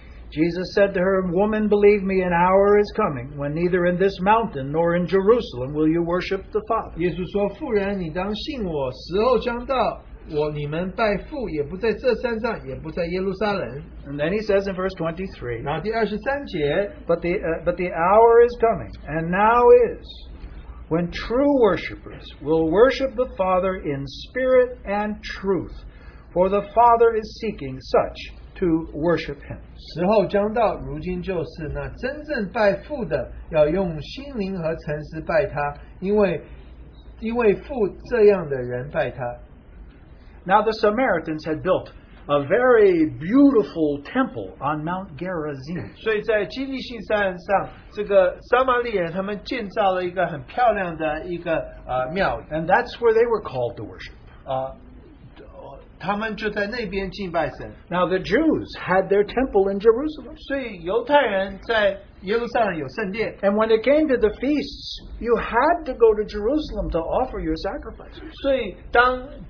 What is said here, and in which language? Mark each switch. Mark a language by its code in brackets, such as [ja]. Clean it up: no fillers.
[en] Jesus said to her, woman, believe me, an hour is coming when neither in this mountain nor in Jerusalem will you worship the Father. [zh] 耶稣说妇人你当信我, 时候将到, 我你们拜父, 也不在这山上, [en] and then he says in verse 23, [zh] 然后第23节, [en] but the hour is coming, and now is, When true worshipers will worship the Father in spirit and truth, for the Father is seeking such to worship Him. [zh] 时候将到，如今就是那真正拜父的，要用心灵和诚实拜他，因为父这样的人拜他。 [en] Now the Samaritans had built a very beautiful temple on Mount Gerizim. [zh] 所以在基利信山上，这个撒玛利亚他们建造了一个很漂亮的一个庙。 [en] And that's where they were called to worship. [zh] 他们就在那边敬拜神。 [en] Now the Jews had their temple in Jerusalem. [zh] 所以犹太人在耶路撒冷有圣殿。 [en] And when it came to the feasts, you had to go to Jerusalem to offer your sacrifices.